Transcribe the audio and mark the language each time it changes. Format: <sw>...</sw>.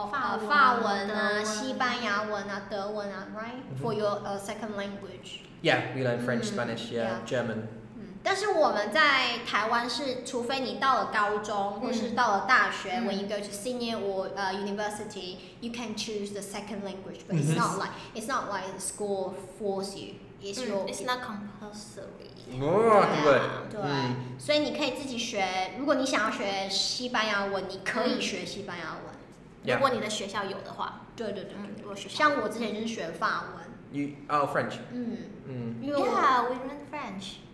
<zh>但是我们说这个，但是在英国，他们也会学，比如说法文啊，西班牙文啊，德文啊 ，</zh> <en>right? For your second language. Yeah, we learn French, Spanish, German.</en> <zh>但是我们在台湾是，除非你到了高中或是到了大学 ，</zh> <en>when you go to senior or university, you can choose the second language, but it's not like the school force you. It's not compulsory. Oh, yeah. Good.</en> <zh>所以你可以自己学，如果你想要学西班牙文，你可以学西班牙文。如果你的学校有的话。对对对，像我之前就是学法文。</zh> <en>You French? Yeah, we learn French.</en>